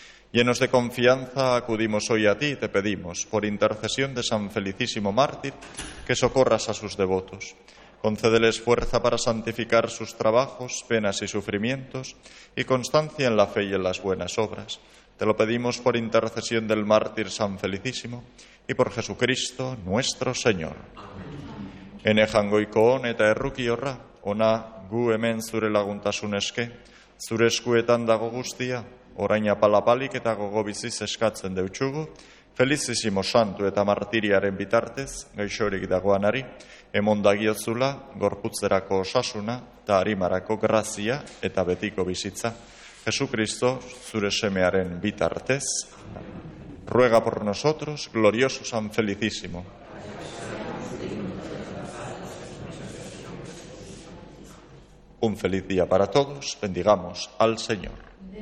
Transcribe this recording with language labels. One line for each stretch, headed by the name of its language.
Spanish: Llenos de confianza, acudimos hoy a ti y te pedimos, por intercesión de San Felicísimo Mártir, que socorras a sus devotos. Concédeles fuerza para santificar sus trabajos, penas y sufrimientos, y constancia en la fe y en las buenas obras. Te lo pedimos por intercesión del mártir San Felicísimo y por Jesucristo nuestro Señor.
Basque: Ene jangoikoon eta erruki horra, ona gu hemen zure laguntasun eske, zure eskuetan dago guztia, orain apalapalik eta gogo biziz eskatzen deutxugu, Felicísimo santu eta martiriaren bitartez, gaixorik dagoanari, emondagiozula, gorputzerako osasuna, ta arimarako grazia eta betiko bizitza.
Spanish: Jesucristo,
Basque: zure semearen bitartez,
Spanish: ruega por nosotros, glorioso San Felicísimo. Un feliz día para todos, bendigamos al Señor.